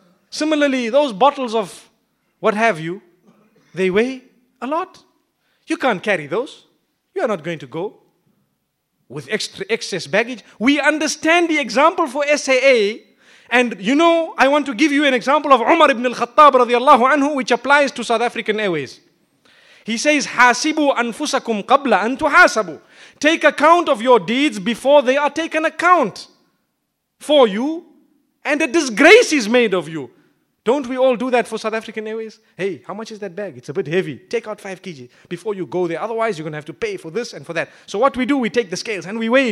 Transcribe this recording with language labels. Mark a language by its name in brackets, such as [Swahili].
[English] Similarly, those bottles of what have you, they weigh a lot. You can't carry those. You are not going to go with extra excess baggage. We understand the example for SAA. And you know, I want to give you an example of Umar ibn al-Khattab radiallahu anhu, which applies to South African Airways. [Arabic] He says, حَاسِبُوا أَنفُسَكُمْ قَبْلَ أَن تُحَاسَبُوا. [English] Take account of your deeds before they are taken account for you, and a disgrace is made of you. Don't we all do that for South African Airways? Hey, how much is that bag? It's a bit heavy. Take out 5 kg before you go there. Otherwise, you're going to have to pay for this and for that. So what we do, we take the scales and we weigh.